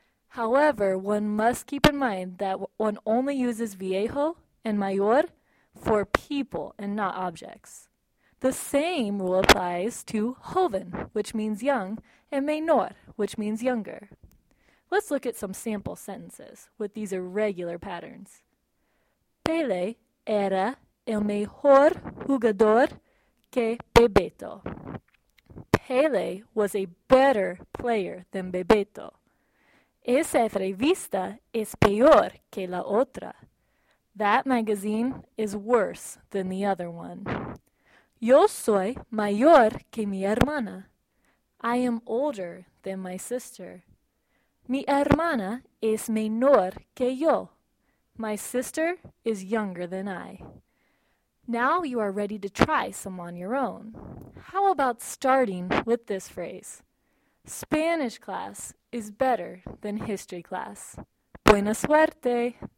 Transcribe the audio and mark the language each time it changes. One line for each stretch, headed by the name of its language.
English: However, one must keep in mind that one only uses viejo and mayor for people and not objects. The same rule applies to joven, which means young, and menor, which means younger. Let's look at some sample sentences with these irregular patterns.
Spanish: Pele era el mejor jugador que Bebeto.
English: Pele was a better player than Bebeto.
Spanish: Esa revista es peor que la otra.
English: That magazine is worse than the other one.
Spanish: Yo soy mayor que mi hermana.
English: I am older than my sister.
Spanish: Mi hermana es menor que yo.
English: My sister is younger than I. Now you are ready to try some on your own. How about starting with this phrase? Spanish class is better than history class.
Spanish: Buena suerte!